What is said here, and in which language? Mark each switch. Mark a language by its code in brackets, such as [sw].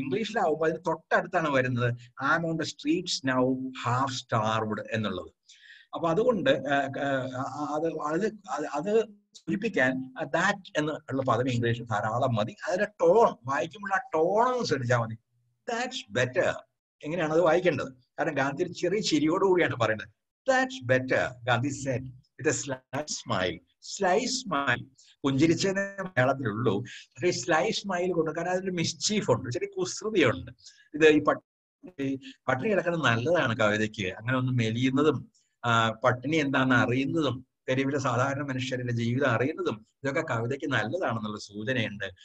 [ml] ഇംഗ്ലീഷിലാവുമ്പോൾ അതിന് തൊട്ടടുത്താണ് വരുന്നത് [en] I am on the streets now half starved [ml] എന്നുള്ളത്. അപ്പൊ അതുകൊണ്ട് അത് അത് അത് സൂചിപ്പിക്കാൻ ദാറ്റ് എന്ന് ഉള്ള പദം ഇംഗ്ലീഷിൽ ധാരാളം മതി. അതിന്റെ ടോൺ വായിക്കുമ്പോൾ ആ ടോൺ അനുസരിച്ചാൽ മതി [en] That's better. [ml] എങ്ങനെയാണ് അത് വായിക്കേണ്ടത്? കാരണം ഗാന്ധി ഒരു ചെറിയ ചിരിയോടുകൂടിയാണ് പറയുന്നത്. [en] That's better, Gandhi said with a sly smile. [ml] പുഞ്ചിരിച്ചേ മേളത്തിലുള്ളൂ, പക്ഷെ സ്ലൈ സ്മൈൽ കൊണ്ട്, കാരണം അതിന്റെ മിസ്ചീഫ് ഉണ്ട്, ചെറിയ കുസൃതിയുണ്ട്. ഇത് ഈ പട്ടിണി കിടക്കുന്നത് നല്ലതാണ് കവിതയ്ക്ക്. അങ്ങനെ ഒന്ന് മെലിയുന്നതും പട്ടിണി എന്താണെന്ന് അറിയുന്നതും തെരുവിലെ സാധാരണ മനുഷ്യരുടെ ജീവിതം അറിയുന്നതും ഇതൊക്കെ കവിതയ്ക്ക് നല്ലതാണെന്നുള്ള സൂചനയുണ്ട്.